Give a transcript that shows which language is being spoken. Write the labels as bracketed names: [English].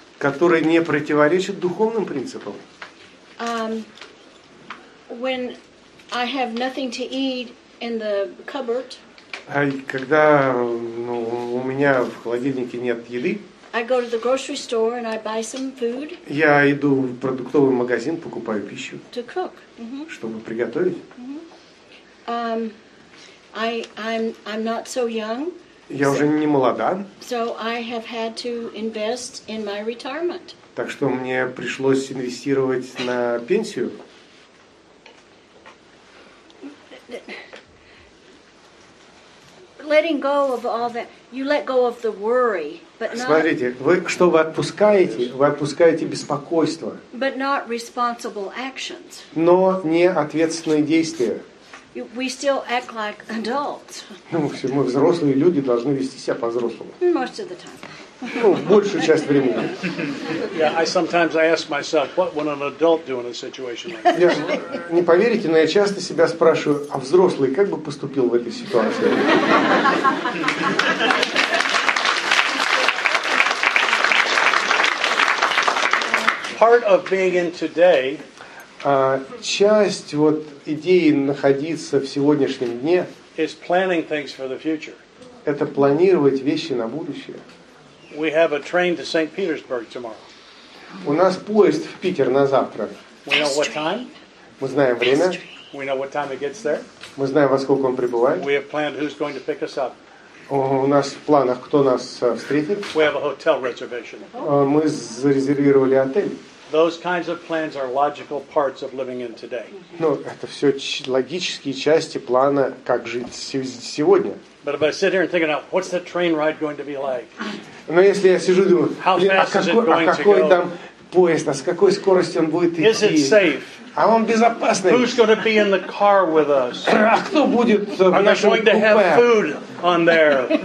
[Russian] Которые не противоречат духовным принципам. [English] When I have nothing to eat in the cupboard. [Russian] Когда у меня в холодильнике нет еды. [English] I go to the grocery store and I buy some food. [Russian] Я иду в продуктовый магазин, покупаю пищу. [English] To cook. [Russian] Чтобы приготовить. [English] I'm not so young. [Russian] Я уже не молода. [English] So I have had to invest in my retirement. [Russian] Так что мне пришлось инвестировать на пенсию. [English] Letting go of all that, you let go of the worry, but not. [Russian] Смотрите, вы отпускаете? Вы отпускаете беспокойство. [English] But not responsible actions. [Russian] Но не ответственные действия. [English] We still act like adults. [Russian] Ну, все, мы взрослые люди должны вести себя по-взрослому. [English] Most of the time. [Russian] Ну, большую часть времени. [English] Yeah, I sometimes ask myself, what would an adult do in a situation like this? [Russian] Не поверите, но я часто себя спрашиваю, а взрослый как бы поступил в этой ситуации? [English] Part of being in today. [Russian] Часть вот идеи находиться в сегодняшнем дне это планировать вещи на будущее. [English] We have a train to St. Petersburg tomorrow. [Russian] У нас поезд в Питер на завтра. [English] We know what time. [Russian] Мы знаем время. [English] We know what time it gets there. [Russian] Мы знаем, во сколько он прибывает. [English] We have planned who's going to pick us up. [Russian] У нас в планах, кто нас встретит. [English] We have a hotel reservation. [Russian] Мы зарезервировали отель. [English] Those kinds of plans are logical parts of living in today. [Russian] Ну, это все логические части плана, как жить сегодня. [English] But if I sit here and think about what's the train ride going to be like? [Russian] Но если я сижу и думаю, какой там поезд, а с какой скоростью он будет идти? [English] Is it safe? [Russian] А он безопасный? [English] Who's going to be in the car with us? [Russian] А кто будет в нашем купе? [English] Are they going to have food on there?